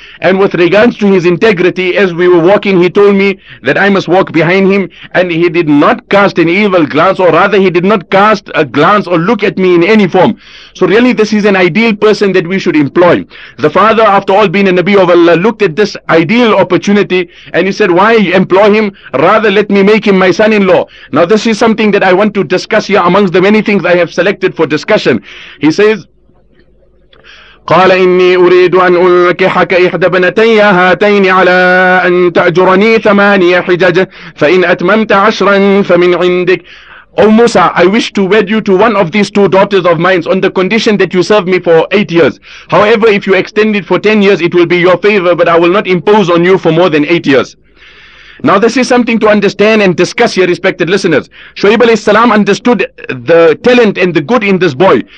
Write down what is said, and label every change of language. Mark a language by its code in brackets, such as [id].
[en] And with regards to his integrity, as we were walking, he told me that I must walk behind him, and he did not cast an evil glance, or rather he did not cast a glance or look at me in any form. So really, this is an ideal person that we should employ. The father, after all being a Nabi of Allah, looked at this ideal opportunity and he said, why employ him? Rather let me make him my son-in-law. Now this is something that I want to discuss here amongst the many things I have selected for discussion. He says, [ar] قال إني أريد أن أنكحك إحدى بنتي هاتين على أن تأجرني 8 حجج فإن أتممت 10 فمن عندك. [en] Oh Musa, I wish to wed you to one of these two daughters of mine on the condition that you serve me for 8 years. However, if you extend it for 10 years, it will be your favor, but I will not impose on you for more than 8 years. Now this is something to understand and discuss here, respected listeners. Shuaib alayhi salam understood the talent and the good in this boy.